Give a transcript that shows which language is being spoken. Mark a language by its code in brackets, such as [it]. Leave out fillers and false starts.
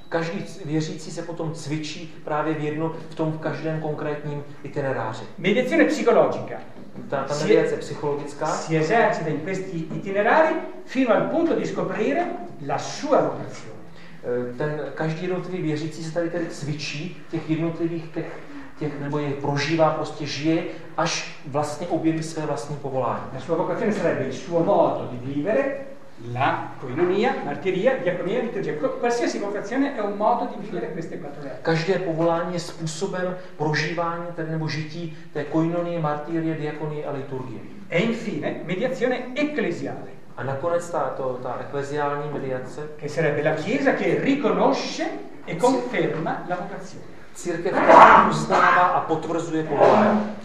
[cs] Každý věřící se potom cvičí právě v jedno, v tom v každém konkrétním itineráři. [it] Mediazione psicologica. [cs] Ta mediace psychologická. [it] Si esercita in questi itinerari fino al punto di scoprire la sua vocazione. [cs] Ten každý jednotlivý věřící se tady cvičí těch jednotlivých těch nebo je prožívá, prostě žije, až vlastně objeví své vlastní povolání. [it] La sua vocazione sarebbe il suo modo di vivere la koinonia, martiria, diakonia, liturgia. Qualsiasi vocazione è un modo di vivere queste quattro realtà. [cs] Každé povolání je způsobem prožívání tedy nebo žití té koinonie, martirie, diakonie a liturgie. [it] E infine, mediazione ecclesiale. [cs] A nakonec ta ecclesiální mediace, [it] che sarebbe la chiesa che riconosce e conferma la vocazione. [cs] Církev, která uznává a potvrzuje povolání.